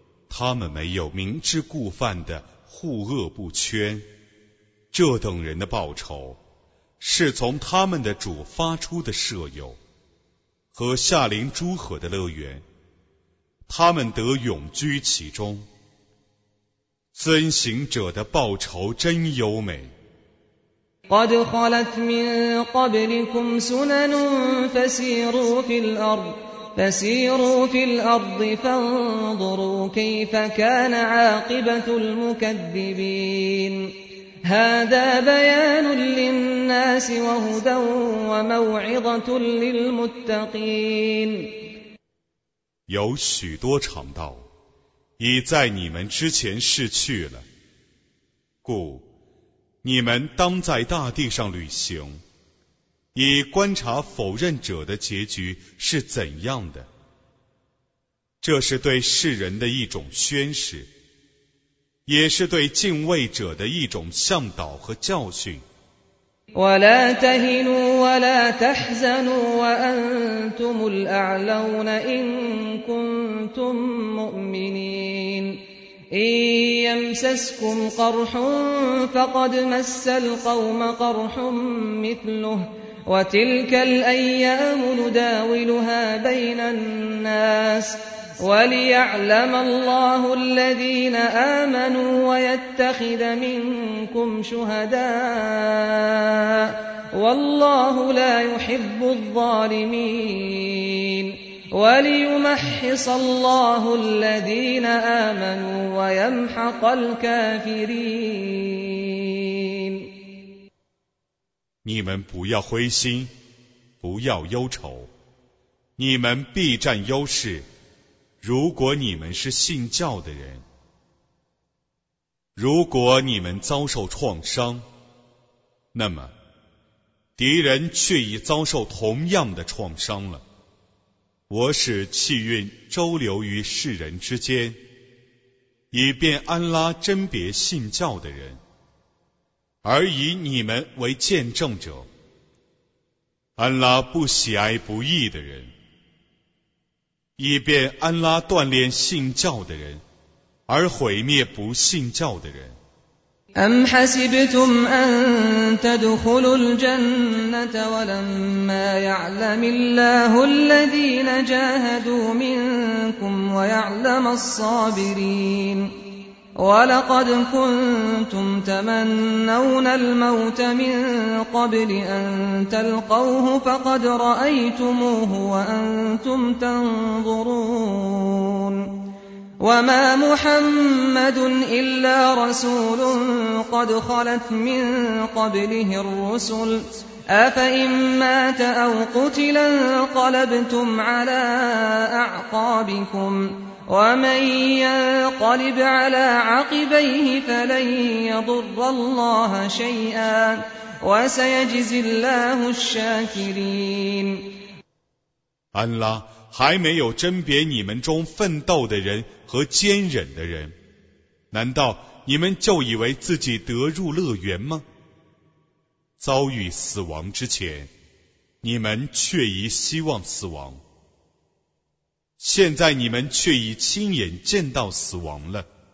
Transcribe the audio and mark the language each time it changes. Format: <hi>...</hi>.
<zh>他们没有明知故犯的护恶不圈，这等人的报酬是从他们的主发出的赦宥和下临诸河的乐园，他们得永居其中。遵行者的报酬真优美。</zh> <ar>قد خلت من قبلكم سنن فسيروا في الأرض فانظروا كيف كان عاقبة المكذبين هذا بيان للناس وهدى وموعظة للمتقين</ar> <zh>有许多长道已在你们之前逝去了，故你们当在大地上旅行，以观察否认者的结局是怎样的。这是对世人的一种宣示，也是对敬畏者的一种向导和教训。</zh> <ar>ولا تهنوا ولا تحزنوا وأنتم الأعلون إن كنتم مؤمنين إن يمسسكم قرح فقد مس القوم قرح مثله وتلك الأيام نداولها بين الناس وليعلم الله الذين آمنوا ويتخذ منكم شهداء والله لا يحب الظالمين وليمحص الله الذين آمنوا ويمحق الكافرين</ar> <zh>你们不要灰心，不要忧愁，你们必占优势。如果你们是信教的人，如果你们遭受创伤，那么敌人却已遭受同样的创伤了。我使气运周流于世人之间，以便安拉甄别信教的人，而以你们为见证者。安拉不喜爱不义的人，以便安拉锻炼信教的人，而毁灭不信教的人。</zh> <ar>أم حسبتم أن تدخلوا الجنة ولما يعلم الله الذين جاهدوا منكم ويعلم الصابرين ولقد كنتم تمنون الموت من قبل أن تلقوه فقد رأيتموه وأنتم تنظرون وما محمد إلا رسول قد خلت من قبله الرسل أفإن مات أو قتل انقلبتم على أعقابكمومن ينقلب على عقبيه فلن يضر الله شيئا وسيجزي الله الشاكرين</ar> <zh>安拉还没有甄别你们中奋斗的人和坚忍的人，难道你们就以为自己得入乐园吗？遭遇死亡之前，你们却已希望死亡，现在你们却已亲眼见到死亡了。</zh>